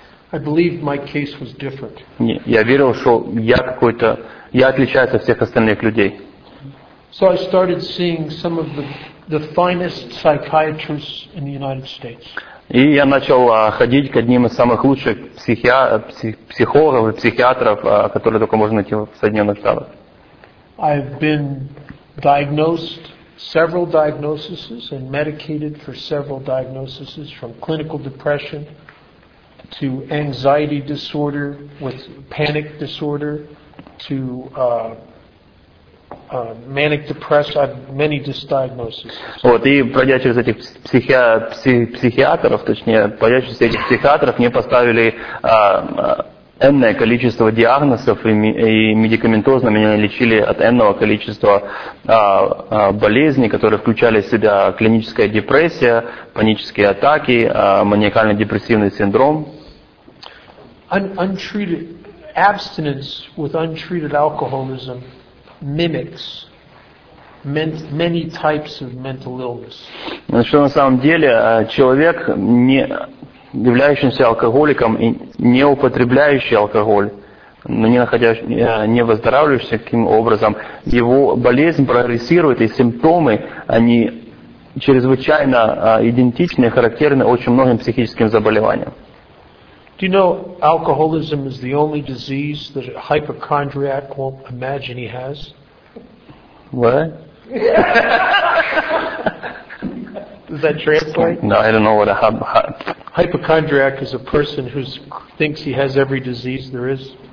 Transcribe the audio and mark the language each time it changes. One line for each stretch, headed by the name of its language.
English: I believed my case was different.
Russian: Я верил, что я отличаюсь от всех остальных людей.
English: So I started seeing some of the finest psychiatrists in the United States.
Russian: И я начал ходить к одним из самых лучших психологов и психиатров, которые только можно найти в Соединенных Штатах.
English: I've been diagnosed several diagnoses and medicated for several diagnoses, from clinical depression to anxiety disorder with panic disorder to manic depression. I've many diagnoses.
Russian: Вот, и пройдя через этих психиатров, точнее, пройдя через этих психиатров, мне поставили энное количество диагнозов и медикаментозно меня лечили от энного количества болезней, которые включали в себя клиническая депрессия, панические атаки, маниакально-депрессивный синдром.
English: Untreated abstinence with untreated alcoholism mimics many types of mental illness.
Russian: Что на самом деле человек, не являющийся алкоголиком и не употребляющий алкоголь, но не выздоравливающий таким образом, его болезнь прогрессирует, и симптомы, они чрезвычайно идентичны и характерны очень многим психическим заболеваниям.
English: Do you know alcoholism is the only disease that a hypochondriac won't imagine he has? What? Does that translate? No, I don't know what a hypochondriac is. A person who thinks he has every disease there is.